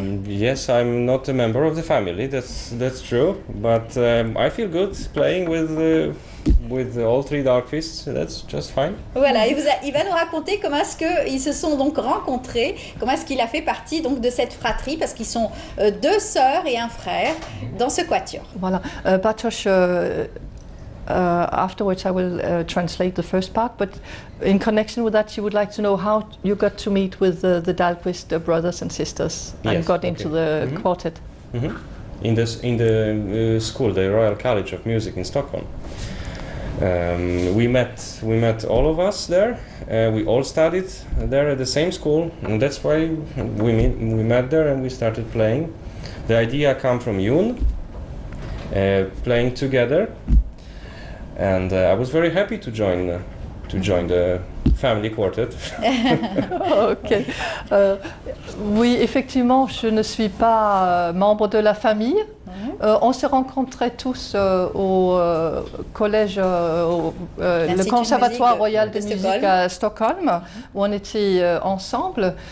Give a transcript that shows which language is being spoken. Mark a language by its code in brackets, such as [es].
[en] yes, I'm not a member of the family, that's true. But I feel good playing with all three Dahlqvists, that's just fine. [fr] Voilà, il va nous raconter comment est-ce qu'ils se sont donc rencontrés, comment est-ce qu'il a fait partie donc de cette fratrie, parce qu'ils sont deux sœurs et un frère dans ce quatuor. [en] Voilà, Bartosz, afterwards I will translate the first part, but in connection with that, you would like to know how you got to meet with the Dahlqvist brothers and sisters and yes, got okay. into the mm-hmm. quartet. Mm-hmm. In the school, the Royal College of Music in Stockholm. We met all of us there. We all studied there at the same school, and that's why we met there and we started playing. The idea came from Jon, playing together, and I was very happy to join the family quartet. Okay. [fr] Oui, effectivement, je ne suis pas membre de la famille. On s'est rencontrés tous au collège, le Conservatoire Royal de Musique à Stockholm, où on était ensemble.